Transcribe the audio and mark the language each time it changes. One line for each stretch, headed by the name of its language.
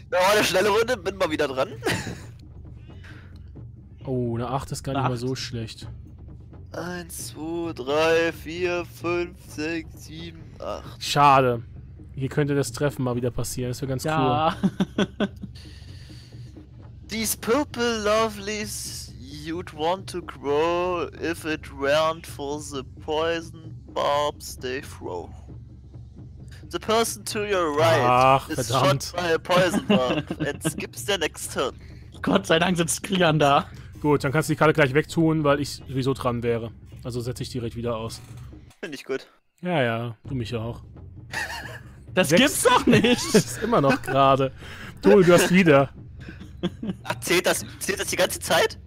German: Da war eine schnelle Runde, bin mal wieder dran. Oh, eine 8 ist gar nicht mal so schlecht. 1, 2, 3, 4, 5, 6, 7, 8. Schade. Hier könnte das Treffen mal wieder passieren, das wäre ganz cool. Ja.
English: These purple lovelies you'd want to grow if it weren't for the poison. Barbs, they throw. The person to your right
German: Ach,
English: is
German: verdammt.
English: Shot by a poison barb and skips their next turn.
German: Gott sei Dank sitzt Krian da. Gut, dann kannst du die Karte gleich wegtun, weil ich sowieso dran wäre. Also setze ich direkt wieder aus. Finde ich gut. Ja, ja, du mich ja auch. Das 6 gibt's doch nicht! Ist immer noch gerade. Du hast wieder. Ach, zählt das die ganze Zeit?